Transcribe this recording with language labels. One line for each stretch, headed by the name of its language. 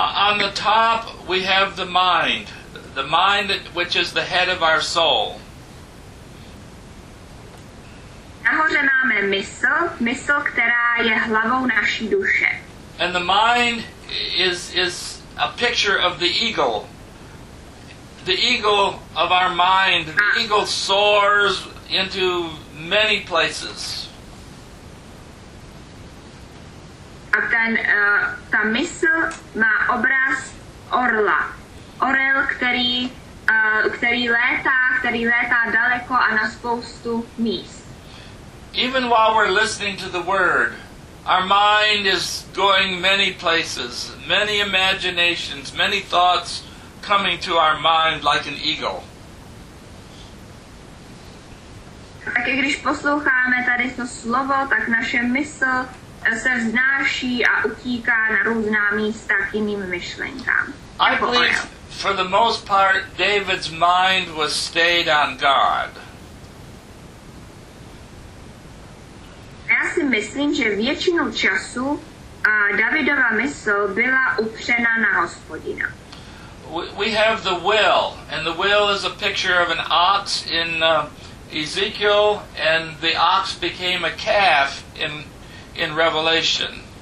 English: On the top we have the mind which is the head of our soul.
Czech: Nahoře máme mysl, mysl, která je hlavou naší duše.
English: And the mind is a picture of the eagle. The eagle of our mind, the eagle soars into many places.
Czech: A ten, ta mysl má obraz orla. Orel, který létá daleko a na spoustu míst.
English: Even while we're listening to the word, our mind is going many places, many imaginations, many thoughts coming to our mind like an eagle.
Czech: Tak i když posloucháme tady to slovo, tak naše mysl se vznáší a utíká na různá místa k jiným myšlenkám.
English: I believe for the most part David's mind was stayed on God.
Czech: Já si myslím, že většinu času Davidova mysl byla upřena na Hospodina.
English: We have the will, and the will is a picture of an ox in Ezekiel, and the ox became a calf in Revelation.